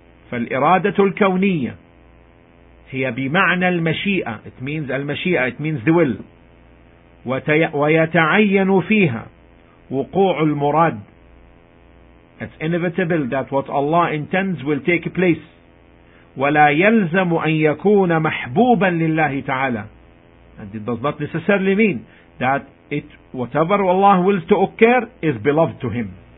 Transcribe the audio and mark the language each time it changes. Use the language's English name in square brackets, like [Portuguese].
[Arabic] فالإرادة الكونية هي بمعنى المشيئة, it means المشيئة, [English] it means the will, [Arabic] ويتعين فيها وقوع المراد. [English] It's inevitable that what Allah intends will take place. [Arabic] ولا يلزم أن يكون محبوبا لله تعالى. [English] And it does not necessarily mean that it, whatever Allah wills to occur, is beloved to Him.